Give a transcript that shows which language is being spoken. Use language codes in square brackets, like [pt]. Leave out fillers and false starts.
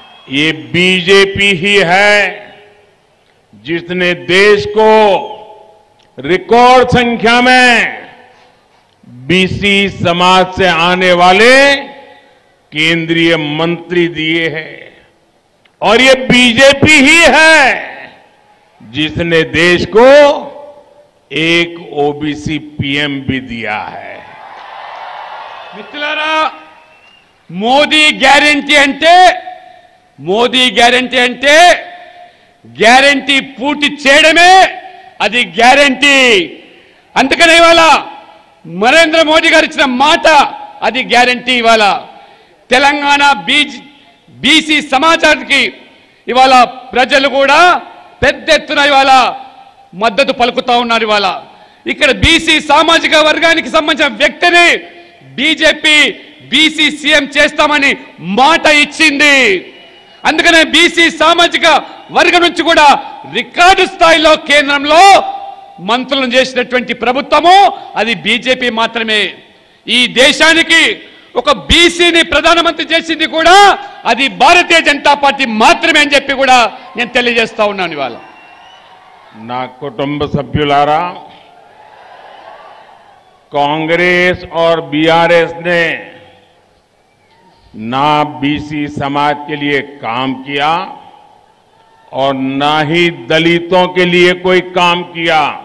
[hi] ये बीजेपी ही है जिसने देश को रिकॉर्ड संख्या में बीसी समाज से आने वाले केंद्रीय मंत्री दिए हैं, और ये बीजेपी ही है जिसने देश को एक ओबीसी पीएम भी दिया है। [te] मित्रलारा मोदी गारंटी अंटे, మోదీ గ్యారెంటీ అంటే గ్యారెంటీ పూర్తి చేయడమే, అది గ్యారెంటీ। అందుకనే ఇవాళ నరేంద్ర మోదీ గారు ఇచ్చిన మాట అది గ్యారెంటీ। ఇవాళ తెలంగాణ బీసీ సమాజానికి ఇవాళ ప్రజలు కూడా పెద్ద ఎత్తున ఇవాళ మద్దతు పలుకుతా ఉన్నారు। ఇవాళ ఇక్కడ బీసీ సామాజిక వర్గానికి సంబంధించిన వ్యక్తిని బీజేపీ బీసీ సీఎం చేస్తామని మాట ఇచ్చింది। అందుకనే బీసీ సామాజిక వర్గం నుంచి కూడా రికార్డు స్థాయిలో కేంద్రంలో మంత్రులను చేసినటువంటి ప్రభుత్వము అది బీజేపీ మాత్రమే। ఈ దేశానికి ఒక బీసీని ప్రధానమంత్రి చేసింది కూడా అది భారతీయ జనతా పార్టీ మాత్రమే అని చెప్పి కూడా నేను తెలియజేస్తా ఉన్నాను। ఇవాళ నా కుటుంబ సభ్యులారా, [hi] కాంగ్రెస్ ఆర్ బీఆర్ఎస్ నే ना बीसी समाज के लिए काम किया और ना ही दलितों के लिए कोई काम किया।